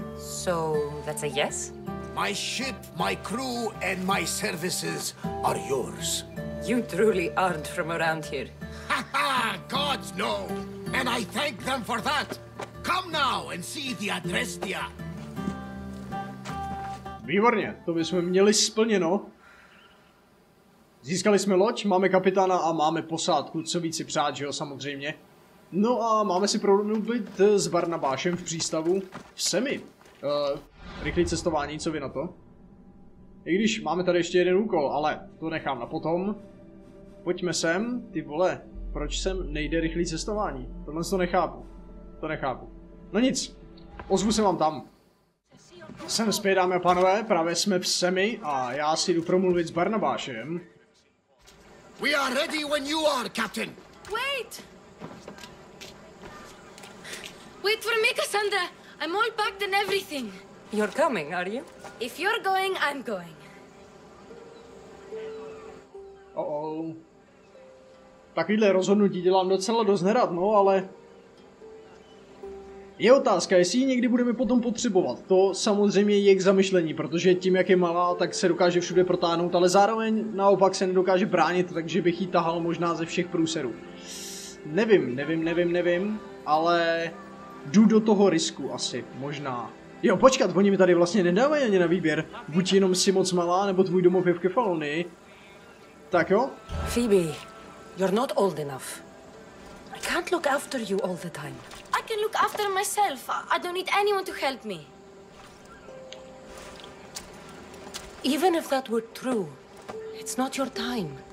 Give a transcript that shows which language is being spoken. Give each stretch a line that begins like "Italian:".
English: So that's a yes? My ship, my crew, and my services are yours. You truly aren't from around here. Gods, no. And I thank them for that. Come now and see the Adrestia.
Czech: Výborně, to bychom měli splněno. Získali jsme loď, máme kapitána a máme posádku, co víc si přát, že jo, samozřejmě. No a máme si promluvit s Barnabášem v přístavu v Semi. Rychlý cestování, co vy na to? I když máme tady ještě jeden úkol, ale to nechám na potom. Pojďme sem, ty vole, proč sem nejde rychlý cestování? Tohle to nechápu, to nechápu. No nic, ozvu se vám tam. Jsem zpět, dámy a pánové, právě jsme v Semi a já si jdu promluvit s Barnabášem.
English: We are ready when you are, Captain. Wait! Wait for me, Cassandra. I'm all packed and everything. You're coming, are you? If you're going, I'm going. Uh-oh.
Czech: Takovýhle rozhodnutí dělám docela dost nerad, no, ale... Je otázka, jestli ji někdy budeme potom potřebovat. To samozřejmě je k zamyšlení, protože tím, jak je malá, tak se dokáže všude protáhnout, ale zároveň naopak se nedokáže bránit, takže bych ji tahal možná ze všech průserů. Nevím, ale jdu do toho risku asi, možná. Jo, počkat, oni mi tady vlastně nedávají ani na výběr. Buď jenom si moc malá, nebo tvůj domov je v Kefalonii. Tak jo?
English: Phoebe, you're not old enough. I can't look after you all the time. I can look after myself. I don't need anyone to help me. Even if that were true, it's not your time.